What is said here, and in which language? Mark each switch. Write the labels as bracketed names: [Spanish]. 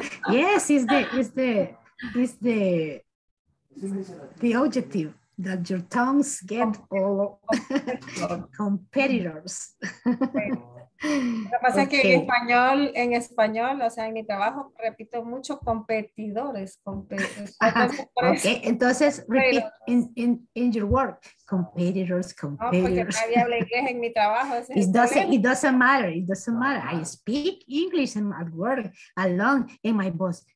[English] Yes, it's the objective that your tongues get all competitors. [Spanish] Lo que pasa es que en español, o sea, en mi trabajo repito mucho competidores. [English] Okay, entonces repeat in your work competitors. [Spanish] No, porque nadie habla inglés en mi trabajo. [English] It doesn't matter. I speak English at work alone and my boss.